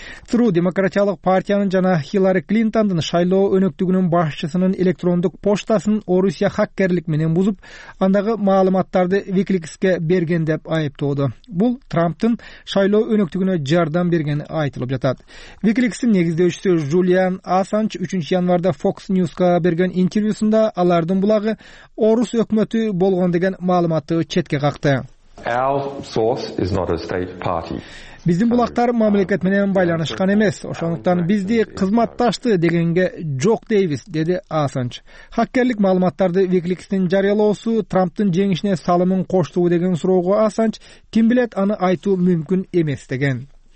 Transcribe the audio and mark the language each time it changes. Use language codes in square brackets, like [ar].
[ky] Труу демократиялык партиянын жана Хиллари Клинтондун шайлоо өнөктүгүнүн башчысынын электрондук почтасын Орусия хаккерлик менен бузуп, андагы маалыматтарды Викиликске берген деп айыптоодо. Бул Трамптын шайлоо өнөктүгүнө жардам бергени айтылып жатат. Викиликстин негиздөөчүсү Жулиан Асанч 3 январда Fox News'ка берген интервьюсунда алардын булагы орус өкмөтү болгон деген маалыматты четке какты. [en] Our source is not a state party. [ky] Биздин булактар мамлекет менен байланышкан эмес, ошондуктан бизди кызматташты дегенге жок дейбиз, деди Асанч. Хаккерлик маалыматтарды Викиликстин жарыялоосу Трамптын жеңишине салымын коштуу деген суроого Асанч ким билет аны айтуу мүмкүн эмес деген.